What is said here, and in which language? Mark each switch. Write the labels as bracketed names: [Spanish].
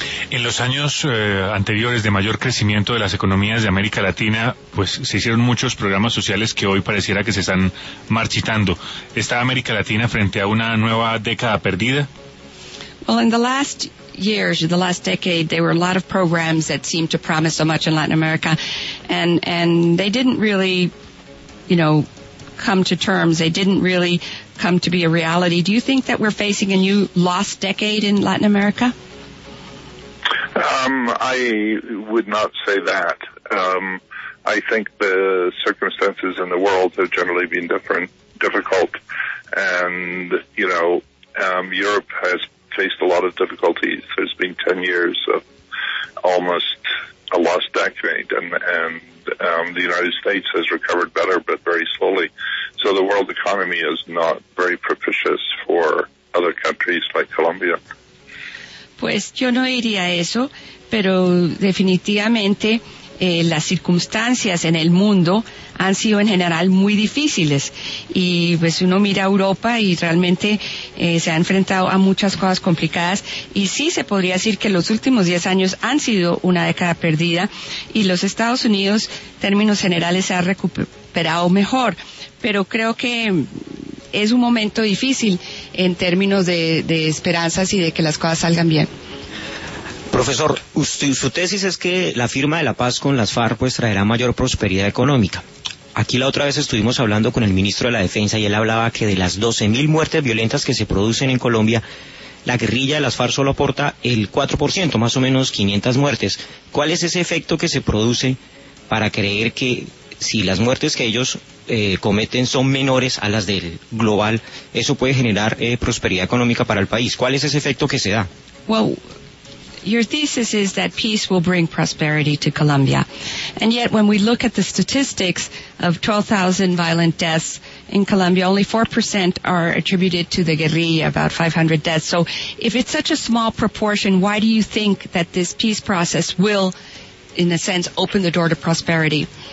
[Spanish] En los años anteriores de mayor crecimiento de las economías de América Latina, pues se hicieron muchos programas sociales que hoy pareciera que se están marchitando. ¿Está América Latina frente a una nueva década perdida? [English] Well, in the last years, the last decade, there were a lot of programs that seemed to promise so much in Latin America, and they didn't really, you know, come to terms. They didn't really come to be a reality. Do you think that we're facing a new lost decade in Latin America? I would not say that. I think the circumstances in the world have generally been difficult. And, you know, Europe has faced a lot of difficulties. There's been 10 years of almost a lost decade. And the United States has recovered better, but very slowly. So the world economy is not very propitious for other countries like Colombia. [Spanish] Pues yo no diría eso, pero definitivamente las circunstancias en el mundo han sido en general muy difíciles. Y pues uno mira a Europa y realmente se ha enfrentado a muchas cosas complicadas. Y sí se podría decir que los últimos 10 años han sido una década perdida. Y los Estados Unidos, en términos generales, se ha recuperado mejor. Pero creo que es un momento difícil en términos de esperanzas y de que las cosas salgan bien. Profesor, su tesis es que la firma de la paz con las FARC pues traerá mayor prosperidad económica. Aquí la otra vez estuvimos hablando con el ministro de la Defensa y él hablaba que de las 12.000 muertes violentas que se producen en Colombia, la guerrilla de las FARC solo aporta el 4%, más o menos 500 muertes. ¿Cuál es ese efecto que se produce para creer que si las muertes que ellos cometen son menores a las del global, eso puede generar prosperidad económica para el país? ¿Cuál es ese efecto que se da? [English] Well, your thesis is that peace will bring prosperity to Colombia. And yet, when we look at the statistics of 12,000 violent deaths in Colombia, only 4% are attributed to the guerrilla, about 500 deaths. So if it's such a small proportion, why do you think that this peace process will, in a sense, open the door to prosperity?